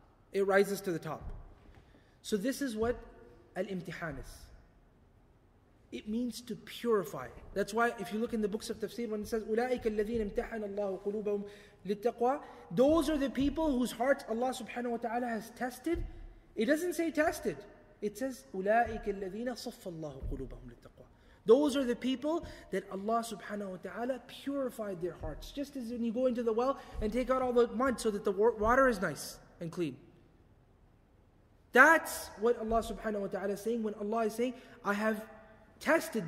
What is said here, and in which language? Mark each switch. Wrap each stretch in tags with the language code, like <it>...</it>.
<en>It rises to the top. So this is what al-imtihan is. It means to purify. That's why if you look in the books of tafsir, when it says</en> <ar>أُولَٰئِكَ الَّذِينَ امْتَحَنَ اللَّهُ قُلُوبَهُمْ لِلتَّقْوَىٰ,</ar> <en>those are the people whose hearts Allah subhanahu wa ta'ala has tested. It doesn't say tested. It says</en> <ar>أُولَٰئِكَ الَّذِينَ صَفَّ اللَّهُ قُلُوبَهُمْ لِلتَّقْوَىٰ.</ar> <en>Those are the people that Allah subhanahu wa ta'ala purified their hearts. Just as when you go into the well and take out all the mud so that the water is nice and clean. That's what Allah subhanahu wa ta'ala is saying when Allah is saying, I have tested.</en>